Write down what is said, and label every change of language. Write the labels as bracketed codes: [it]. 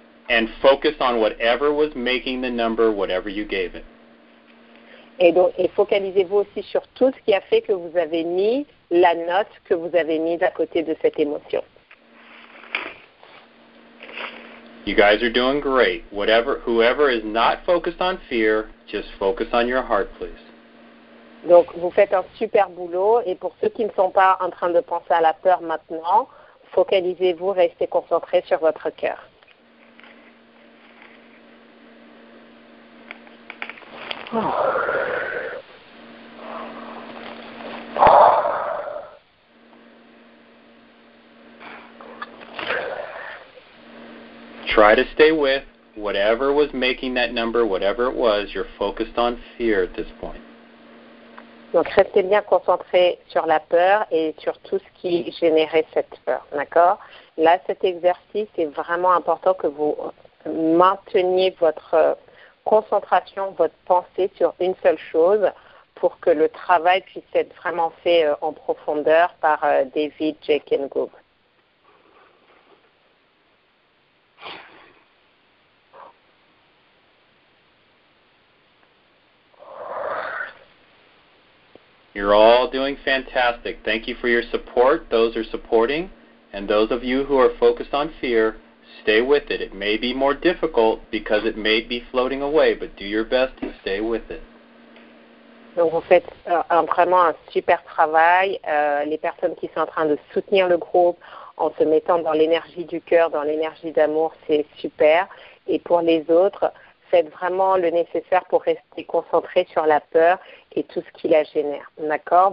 [en] And focus on whatever was making the number, whatever you gave it. [fr] Et focalisez-vous aussi sur tout ce qui a fait que vous avez mis la note que vous avez mise à côté de cette émotion. [en] You guys are doing great. Whoever is not focused on fear, just focus on your heart, please. [fr] Donc, vous faites un super boulot. Et pour ceux qui ne sont pas en train de penser à la peur maintenant, focalisez-vous, restez concentrés sur votre cœur. [en] Try to stay with whatever was making that number, whatever it was. You're focused on fear at this point. [fr] Donc restez bien concentré sur la peur et sur tout ce qui générait cette peur, d'accord? Là, cet exercice est vraiment important que vous mainteniez votre concentration, votre pensée sur une seule chose pour que le travail puisse être vraiment fait en profondeur par David, Jake et Google. [en] You're all doing fantastic. Thank you for your support. Those are supporting. And those of you who are focused on fear, stay with it. It may be more difficult because it may be floating away, but do your best to stay with it. [fr] Donc vous faites vraiment un super travail. Les personnes qui sont en train de soutenir le groupe en se mettant dans l'énergie du cœur, dans l'énergie d'amour, c'est super. Et pour les autres, faites vraiment le nécessaire pour rester concentré sur la peur et tout ce qui la génère. D'accord?